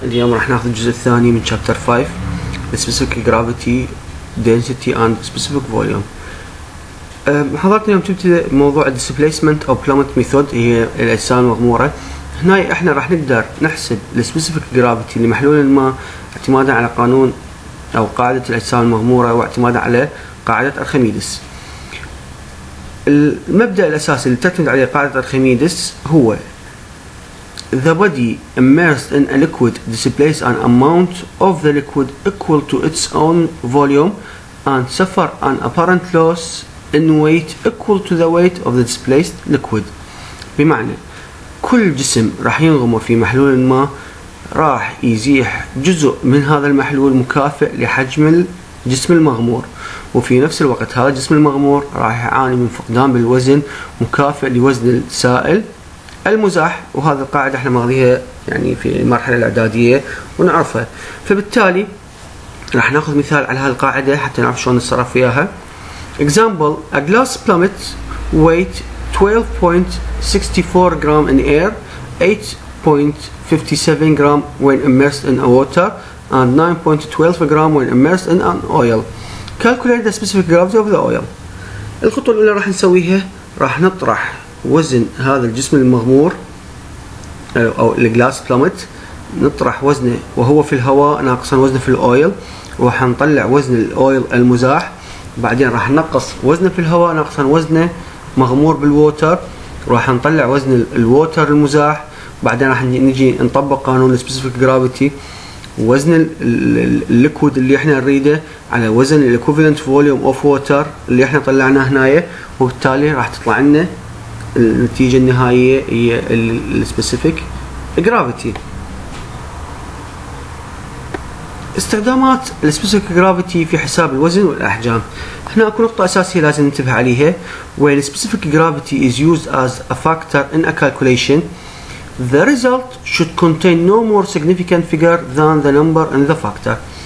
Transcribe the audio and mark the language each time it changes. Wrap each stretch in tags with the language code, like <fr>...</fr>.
<ar>اليوم راح نأخذ الجزء الثاني من Chapter 5 Specific Gravity, Density and Specific Volume. حضرتنا يوم تبتدأ موضوع Displacement أو Plummet Method هي الأجسام المغمورة. هنا إحنا راح نقدر نحسب Specific Gravity لمحلول ما اعتمادا على قانون أو قاعدة الأجسام المغمورة واعتمادا على قاعدة أرخميدس. المبدأ الأساسي اللي تعتمد عليه قاعدة أرخميدس هو</ar> <en>The body immersed in a liquid displaces an amount of the liquid equal to its own volume and suffer an apparent loss in weight equal to the weight of the displaced liquid.</en> <ar>بمعنى كل جسم راح ينغمر في محلول ما راح يزيح جزء من هذا المحلول مكافئ لحجم الجسم المغمور, وفي نفس الوقت هذا الجسم المغمور راح يعاني من فقدان بالوزن مكافئ لوزن السائل المزاح, وهذه القاعدة احنا ماخذيها يعني في المرحلة الإعدادية ونعرفها. فبالتالي راح ناخذ مثال على هذه القاعدة حتى نعرف شلون نتصرف فيها.</ar> <en>Example: A glass plummet weight 12.64 gram in air, 8.57 gram when immersed in a water, and 9.12 gram when immersed in an oil. Calculate the specific gravity of the oil.</en> <ar>الخطوة الأولى راح نسويها راح نطرح وزن هذا الجسم المغمور أو الجلاس بلامت, نطرح وزنه وهو في الهواء ناقصا وزنه في الأويل, وحنطلع وزن الأويل المزاح, بعدين راح نقص وزنه في الهواء ناقصا وزنه مغمور بالووتر, راح نطلع وزن الووتر المزاح, بعدين راح نجي نطبق قانون السبيسيفيك جرافيتي وزن الليكويد اللي احنا نريده على وزن الاكوفيلنت فوليوم اوف ووتر اللي احنا طلعناه هنايا, وبالتالي راح تطلع لنا النتيجة النهائية هي الـspecific gravity. استخدامات الـspecific gravity في حساب الوزن والأحجام. هنا أكو نقطة أساسية لازم ننتبه عليها.</ar> <en>When specific gravity is used as a factor in a calculation, the result should contain no more significant figure than the number in the factor.</en>